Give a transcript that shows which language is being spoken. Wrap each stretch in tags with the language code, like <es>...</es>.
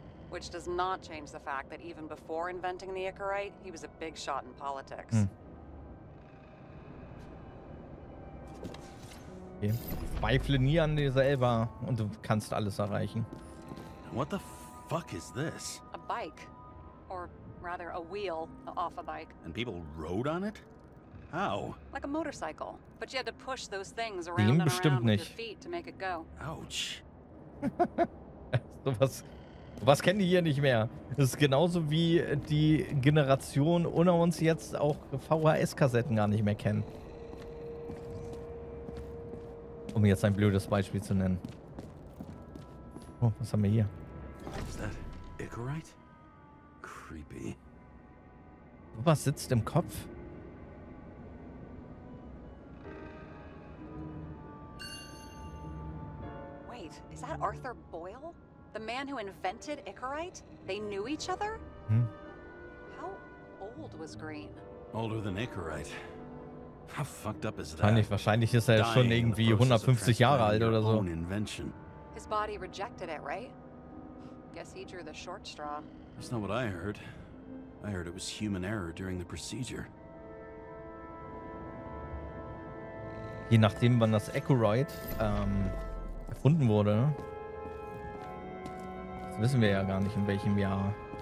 <en>Which does not change the fact that even before inventing the Icarite, he was a big shot in politics. Okay.</en> <de>Zweifle nie an dir selber und du kannst alles erreichen.</de> <en>What the fuck is this? A bike. Or rather, a wheel off a bike. And people rode on it? How? Like a motorcycle. But you had to push those things around and around with your feet to make it go. Ouch.</en> <de>Sowas. Was kennen die hier nicht mehr? Das ist genauso wie die Generation unter uns jetzt auch VHS-Kassetten gar nicht mehr kennen. Um jetzt ein blödes Beispiel zu nennen. Oh, was haben wir hier? Ist das Icarite? Creepy. Was sitzt im Kopf?</de> <en>Wait,</en> <de>ist das</de> <en>Arthur Boyle? The man who invented Icarite? They knew each other? How old was Green? Older than Icarite. How fucked up is that?</en> <de>Wahrscheinlich ist er schon irgendwie 150 Jahre alt oder so.</de> <en>His body rejected it, right? Guess he drew the short straw. That's not what I heard. I heard it was human error during the procedure.</en> <de>Je nachdem, wann das Icarite erfunden wurde, ne? Wissen wir ja gar nicht, in welchem Jahr.</de>